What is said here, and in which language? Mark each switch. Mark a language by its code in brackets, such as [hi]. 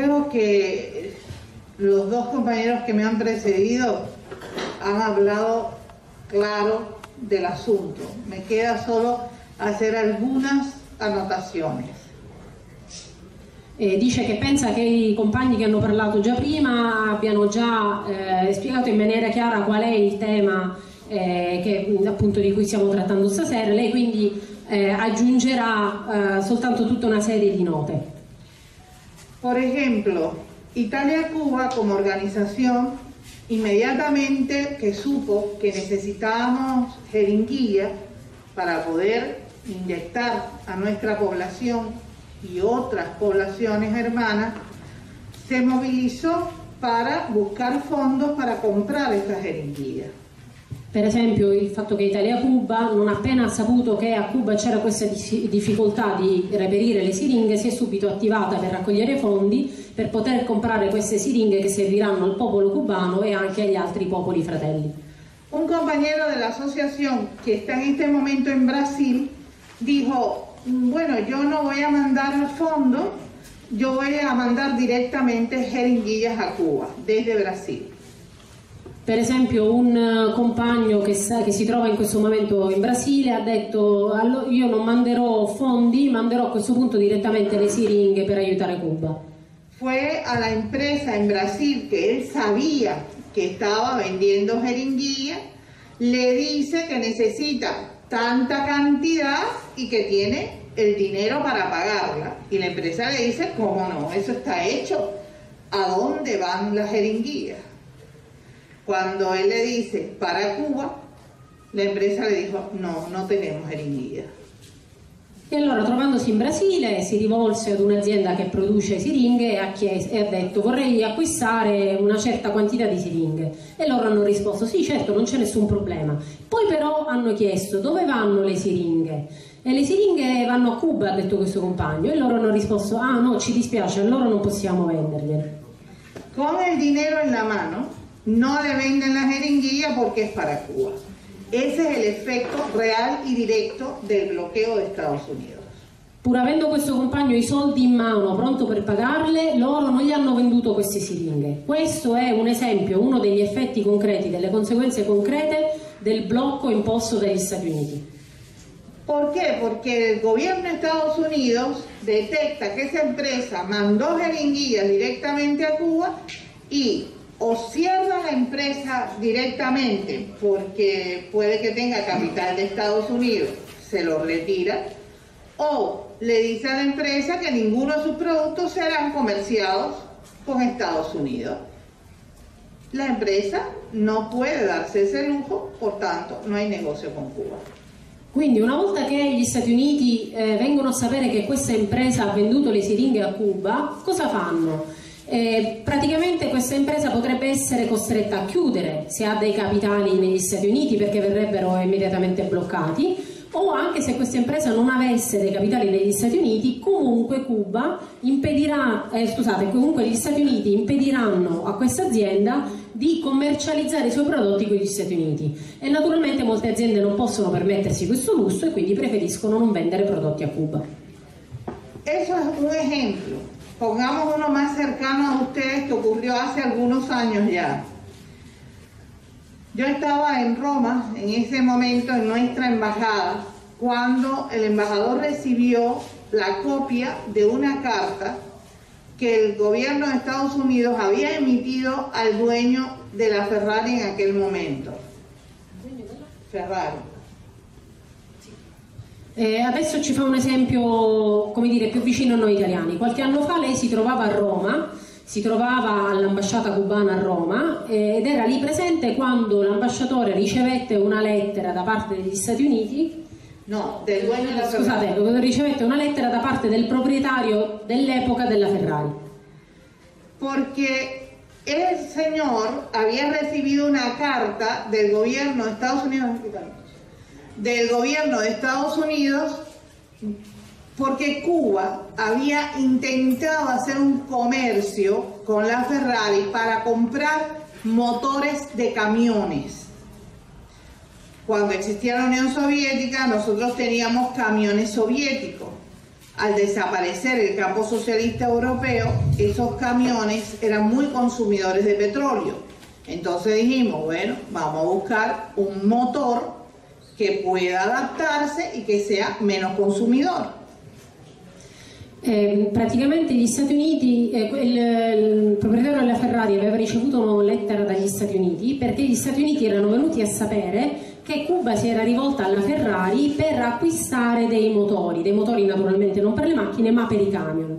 [es] que los dos compañeros que me han precedido han hablado claro del asunto. Me queda solo hacer algunas anotaciones. [it] Dice che pensa che i compagni che hanno parlato già prima abbiano già spiegato in maniera chiara qual è il tema che, appunto, di cui stiamo trattando stasera. Lei quindi aggiungerà soltanto tutta una serie di note. [es] Por ejemplo, Italia-Cuba [it] come organizzazione, immediatamente che [es] supo [it] che necessitavamo [es] jeringuilla [it] per poter [es] inyectar a [it] nostra popolazione [es] y otras poblaciones hermanas, se movilizó para buscar fondos para comprar estas jeringuillas. [it] Per esempio, il fatto che Italia Cuba, non appena ha saputo che a Cuba c'era questa difficoltà di reperire le siringhe, si è subito attivata per raccogliere fondi per poter comprare queste siringhe che serviranno al popolo cubano e anche agli altri popoli fratelli. [es] Un compañero de la asociación que está en este momento en Brasil dijo: bueno, yo no voy a mandar al fondo, yo voy a mandar directamente jeringuillas a Cuba, desde Brasil. [it] Per esempio, un compagno che si trova in questo momento in Brasile ha detto: allora, io non manderò fondi, manderò a questo punto direttamente le siringhe per aiutare Cuba. [es] Fue a la empresa en Brasil que él sabía que estaba vendiendo jeringuillas, le dice que necesita tanta cantidad y que tiene el dinero para pagarla, y la empresa le dice: cómo no, eso está hecho, ¿a dónde van las jeringuillas? Cuando él le dice: para Cuba, la empresa le dijo: no, no tenemos jeringuillas. [it] E allora, trovandosi in Brasile, si rivolse ad un'azienda che produce siringhe e ha detto: vorrei acquistare una certa quantità di siringhe. E loro hanno risposto: sì, certo, non c'è nessun problema. Poi però hanno chiesto: dove vanno le siringhe? E le siringhe vanno a Cuba, ha detto questo compagno. E loro hanno risposto: ah no, ci dispiace, allora non possiamo vendergliele. [es] Con [it] il [es] dinero [it] in la [es] mano [it] non le vendono [es] la jeringuilla [it] perché è [es] para Cuba. Ese es el efecto real y directo del bloqueo de Estados Unidos. [it] Pur avendo questo compagno i soldi in mano, pronto per pagarle, loro non gli hanno venduto queste siringhe. Questo è un esempio, uno degli effetti concreti, delle conseguenze concrete del blocco imposto dagli Stati Uniti. Perché? Perché il governo di [es] Estados Unidos detecta che [it] questa [es] empresa mandò jeringuilla [it] direttamente a Cuba e [es] o cierra la empresa directamente porque puede que tenga capital de Estados Unidos, se lo retira, o le dice a la empresa que ninguno de sus productos serán comerciados con Estados Unidos. La empresa no puede darse ese lujo, por tanto no hay negocio con Cuba. [it] Quindi, una volta che gli Stati Uniti vengono a sapere che questa empresa ha venduto le siringhe a Cuba, cosa fanno? Praticamente questa impresa potrebbe essere costretta a chiudere se ha dei capitali negli Stati Uniti, perché verrebbero immediatamente bloccati, o anche se questa impresa non avesse dei capitali negli Stati Uniti, comunque Cuba impedirà, comunque gli Stati Uniti impediranno a questa azienda di commercializzare i suoi prodotti con gli Stati Uniti, e naturalmente molte aziende non possono permettersi questo lusso e quindi preferiscono non vendere prodotti a Cuba. [es] Eso es un ejemplo. Pongamos uno más cercano a ustedes que ocurrió hace algunos años ya. Yo estaba en Roma en ese momento en nuestra embajada cuando el embajador recibió la copia de una carta que el gobierno de Estados Unidos había emitido al dueño de la Ferrari en aquel momento. Ferrari. [it] Adesso ci fa un esempio, come dire, più vicino a noi italiani. Qualche anno fa lei si trovava a Roma, si trovava all'ambasciata cubana a Roma, ed era lì presente quando l'ambasciatore ricevette una lettera da parte degli Stati Uniti. [es] No, del dueño [it] della Scusate, Ferrari. Ricevette una lettera da parte del proprietario dell'epoca della Ferrari. Perché il signor aveva ricevuto una carta del governo degli Stati Uniti. [es] Del gobierno de Estados Unidos, porque Cuba había intentado hacer un comercio con la Ferrari para comprar motores de camiones. Cuando existía la Unión Soviética, nosotros teníamos camiones soviéticos. Al desaparecer el campo socialista europeo, esos camiones eran muy consumidores de petróleo. Entonces dijimos, bueno, vamos a buscar un motor que pueda adaptarse y que sea menos consumidor. [it] Praticamente gli Stati Uniti, il proprietario della Ferrari aveva ricevuto una lettera dagli Stati Uniti perché gli Stati Uniti erano venuti a sapere che Cuba si era rivolta alla Ferrari per acquistare dei motori naturalmente non per le macchine ma per i camion.